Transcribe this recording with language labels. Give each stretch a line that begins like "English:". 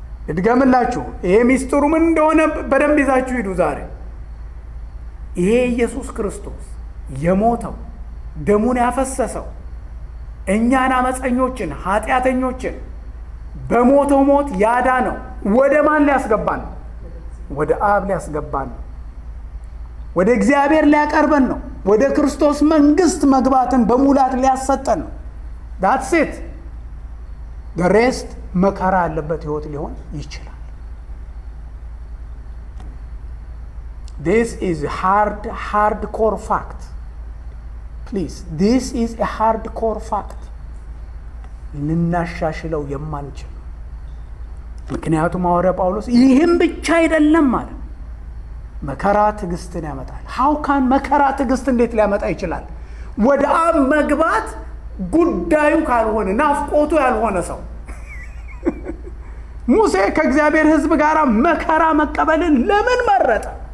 Amharic: እድገምላችሁ ይሄ ሚስጥሩ ምን እንደሆነ በደንብ ይዛችሁ ሂዱ። ዛሬ ይሄ ኢየሱስ ክርስቶስ የሞተው ደሙን ያፈሰሰው እኛን አመጸኞችን ኃጢአተኞችን በሞተው ሞት ያዳ ነው። ወደ ማን ሊያስገባን? ወደ አብ ሊያስገባን፣ ወደ እግዚአብሔር ሊያቀርበን ነው። ወደ ክርስቶስ መንግስት መግባትን በሙላት ሊያሰጠን ነው።
English: That's it. The rest
Amharic: መከራ አለበት ህይወት ሊሆን ይችላል።
English: This is hard hardcore fact. Please, this is a hardcore fact.
Amharic: ልናሻሽለው የማንችል ምክንያቱም ሐዋርያ ጳውሎስ ይህም ብቻ አይደለም ማለ መከራ ትግስትን ያመጣል።
English: how can
Amharic: መከራ ትግስት እንዴት ሊያመጣ ይችላል? ወደ አብ መግባት ጉዳዩ ካልሆነ ናፍቆቱ ያልሆነ ሰው ሙሴ ከእግዚአብሔር ህዝብ ጋር መከራ መቀበልን ለምን መረጠ?